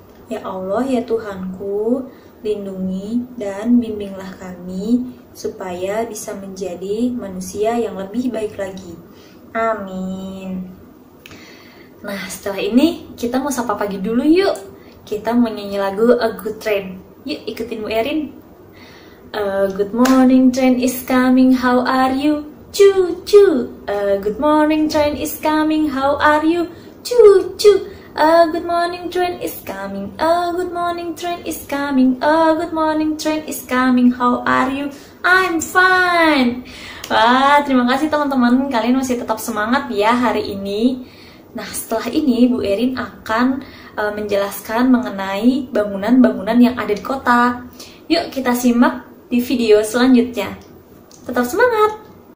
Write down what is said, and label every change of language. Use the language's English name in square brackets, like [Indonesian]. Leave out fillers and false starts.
[Indonesian] Ya Allah, ya Tuhanku, lindungi dan bimbinglah kami supaya bisa menjadi manusia yang lebih baik lagi. Amin. Nah, setelah ini kita mau sapa pagi dulu yuk. Kita mau nyanyi lagu A Good Train. Yuk, ikutin Bu Erin. [English] A good morning train is coming, how are you? Choo choo. A good morning train is coming, how are you? Choo choo. A good morning train is coming. A good morning train is coming. A good morning train is coming. How are you? I'm fine. [Indonesian] Wah, terima kasih teman-teman. Kalian masih tetap semangat ya hari ini. Nah, setelah ini Bu Erin akan menjelaskan mengenai bangunan-bangunan yang ada di kota. Yuk, kita simak di video selanjutnya. Tetap semangat.